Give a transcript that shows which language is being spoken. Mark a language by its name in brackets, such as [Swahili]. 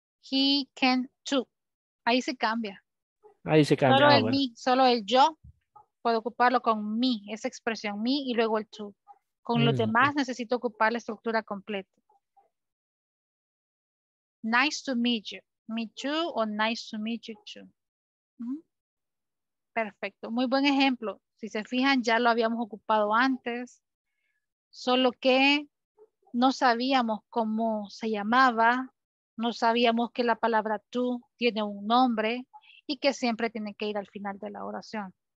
[English] He can too. [Spanish] Ahí se cambia. Ahí se cambia. Solo el me, solo el yo. Puedo ocuparlo con me, esa expresión me y luego el to. Con los demás necesito ocupar la estructura completa. [English] Nice to meet you. Me too o nice to meet you too. [Spanish] Perfecto. Muy buen ejemplo. Si se fijan, ya lo habíamos ocupado antes. Solo que no sabíamos cómo se llamaba. No sabíamos que la palabra to tiene un nombre y que siempre tiene que ir al final de la oración.